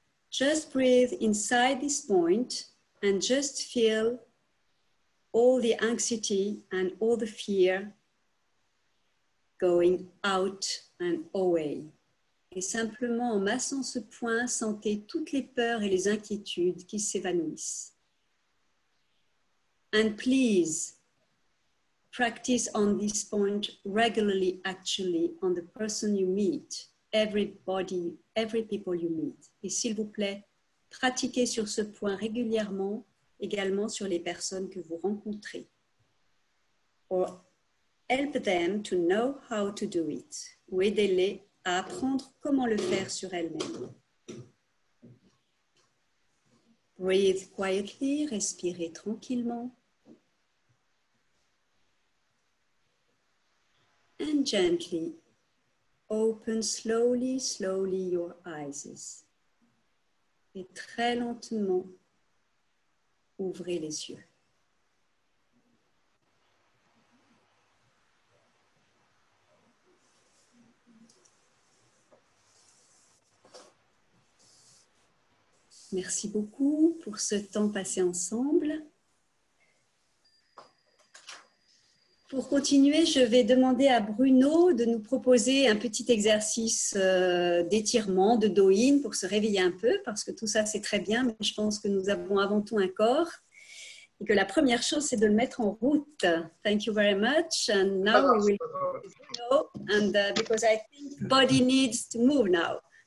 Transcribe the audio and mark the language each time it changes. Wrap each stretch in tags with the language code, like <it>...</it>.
<en>Just breathe inside this point and just feel all the anxiety and all the fear going out and away.</en> <fr>Et simplement en massant ce point, sentez toutes les peurs et les inquiétudes qui s'évanouissent.</fr> <en>And please practice on this point regularly, actually, on the person you meet, everybody, every people you meet.</en> <fr>Et s'il vous plaît, pratiquez sur ce point régulièrement, également sur les personnes que vous rencontrez.</fr> <en>Or help them to know how to do it.</en> <fr>Ou aidez-les à apprendre comment le faire sur elles-mêmes.</fr> <en>Breathe quietly,</en> <fr>respirez tranquillement.</fr> <en>And gently open slowly, slowly your eyes.</en> <fr>Et très lentement, ouvrez les yeux. Merci beaucoup pour ce temps passé ensemble. Pour continuer, je vais demander à Bruno de nous proposer un petit exercice d'étirement, de dos-in, pour se réveiller un peu, parce que tout ça, c'est très bien, mais je pense que nous avons avant tout un corps, et que la première chose, c'est de le mettre en route.</fr> <en>Thank you very much, and now we will go, and because I think body needs to move now.</en>